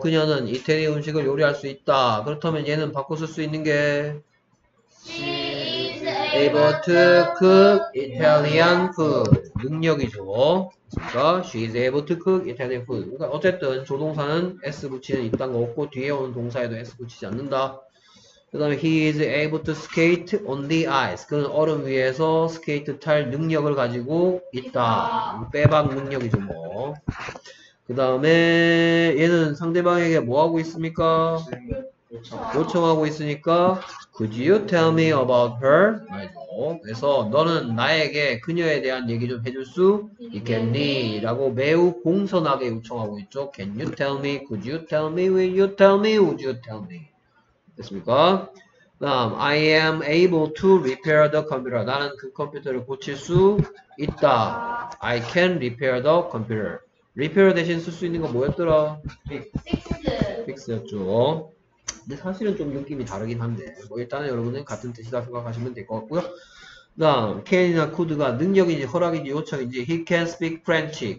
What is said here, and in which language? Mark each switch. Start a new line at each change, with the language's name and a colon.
Korean: 그녀는 이태리 음식을 요리할 수 있다. 그렇다면 얘는 바꿔 쓸 수 있는 게
English: She is able to cook Italian food.
Korean: 능력이죠. 그러니까
English: She is able to cook Italian food.
Korean: 그러니까 어쨌든 조동사는 S 붙이는 입단 거 없고 뒤에 오는 동사에도 S 붙이지 않는다. 그 다음에
English: he is able to skate on the ice.
Korean: 그는 얼음 위에서 스케이트 탈 능력을 가지고 있다. 빼박 능력이죠 뭐. 그 다음에 얘는 상대방에게 뭐하고 있습니까? 요청하고 있으니까
English: could you tell me about her?
Korean: 그래서 너는 나에게 그녀에 대한 얘기 좀 해줄 수 있겠니? 라고 매우 공손하게 요청하고 있죠.
English: Can you tell me? Could you tell me? Will you tell me? Would you tell me?
Korean: 됐습니까? 다음,
English: I am able to repair the computer.
Korean: 나는 그 컴퓨터를 고칠 수 있다.
English: I can repair the computer. repair
Korean: 대신 쓸 수 있는 거 뭐였더라?
English: fix.
Korean: fix였죠. 근데 사실은 좀 느낌이 다르긴 한데. 뭐 일단은 여러분은 같은 뜻이다 생각하시면 될 것 같고요. 다음, can이나 could가 능력인지 허락인지 요청인지
English: he can speak French.